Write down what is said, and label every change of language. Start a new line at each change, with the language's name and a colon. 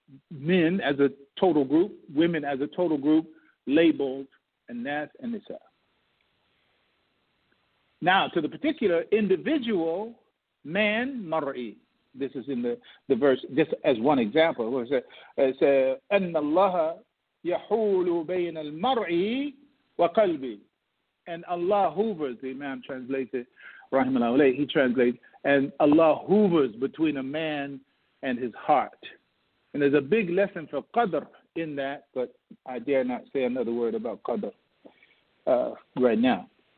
English: Men as a total group, women as a total group, labeled anas and nisa. Now, to the particular individual man, mar'i. This is in the verse, just as one example. Where it says,
Arabic: أَنَّ اللَّهَ يَحُولُ بَيْنَ الْمَرْعِ وَقَلْبِ.
English: And Allah hoovers, the Imam translates it, Rahimahullah alayhi, he translates, and Allah hoovers between a man and his heart. And there's a big lesson for qadr in that, but I dare not say another word about qadr right now.